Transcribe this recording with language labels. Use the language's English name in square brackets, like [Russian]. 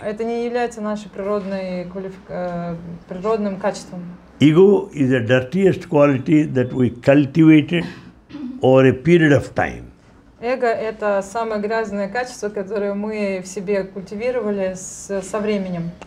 [Russian] Это не является нашим природным качеством. [English] Ego is the dirtiest quality that we cultivated over a period of time. [Russian] Эго – это самое грязное качество, которое мы в себе культивировали со временем.